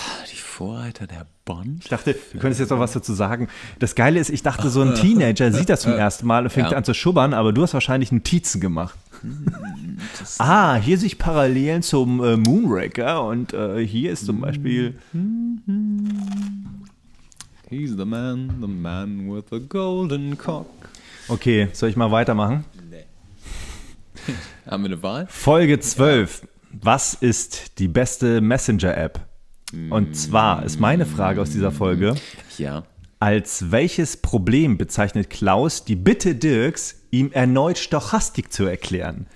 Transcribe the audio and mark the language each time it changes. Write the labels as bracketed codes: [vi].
[de] Die Vorreiter der Bond? Ich dachte, du könntest jetzt noch was dazu sagen. Das Geile ist, ich dachte, so ein Teenager sieht das zum ersten Mal und fängt an zu schubbern, aber du hast wahrscheinlich Notizen gemacht. Hier sehe ich Parallelen zum Moonraker und hier ist zum Beispiel [en] He's the man with the golden cock. [de] Okay, soll ich mal weitermachen? Nee. Haben wir eine Wahl? Folge 12. Ja. Was ist die beste Messenger-App? Und zwar ist meine Frage aus dieser Folge, ja. Als welches Problem bezeichnet Klaus die Bitte Dirks, ihm erneut Stochastik zu erklären?